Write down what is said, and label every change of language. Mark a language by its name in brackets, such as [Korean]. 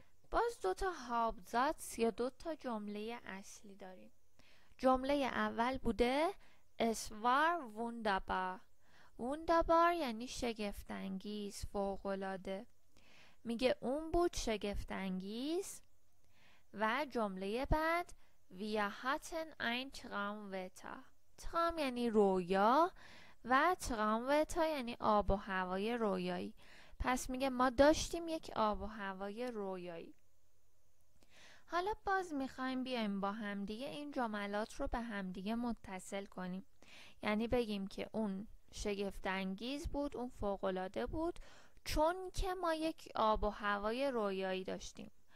[Persian] باز دوتا هابزاتس یا دوتا جمله اصلی داریم. جمله اول بوده [German] Es war wunderbar. [Persian] wunderbar یعنی شگفت انگیز، فوق العاده. میگه اون بود شگفت انگیز. و جمله بعد [German] Wir hatten ein Traumwetter. [Persian] Traum یعنی رویا و Traumwetter یعنی آب و هوای رویایی. پس میگه ما داشتیم یک آب و هوای رویایی. حالا باز میخوایم بیایم با همدیگه این جملات رو به همدیگه متصل کنیم، یعنی بگیم که اون شگفت انگیز بود، اون فوق‌العاده بود چون که ما یک آب و هوای رویایی داشتیم.